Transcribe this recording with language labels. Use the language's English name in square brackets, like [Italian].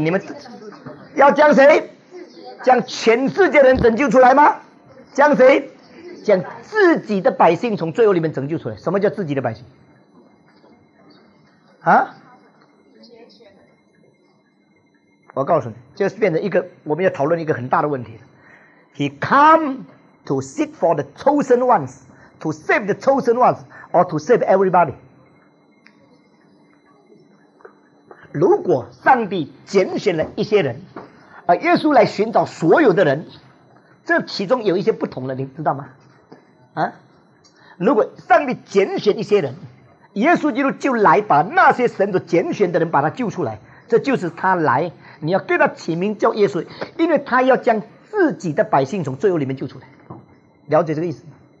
[Chinese] 你们要将谁？将全世界人拯救出来吗？将谁？将自己的百姓从罪恶里面拯救出来。什么叫自己的百姓？啊？我告诉你，就是变成一个我们要讨论一个很大的问题。 [English] He come to seek for the chosen ones, to save the chosen ones, or to save everybody? [Chinese] 如果上帝拣选了一些人，而耶稣来寻找所有的人，这其中有一些不同了，你知道吗？啊，如果上帝拣选一些人，耶稣基督就来把那些神所拣选的人把他救出来，这就是他来，你要给他起名叫耶稣，因为他要将自己的百姓从罪恶里面救出来，了解这个意思吗？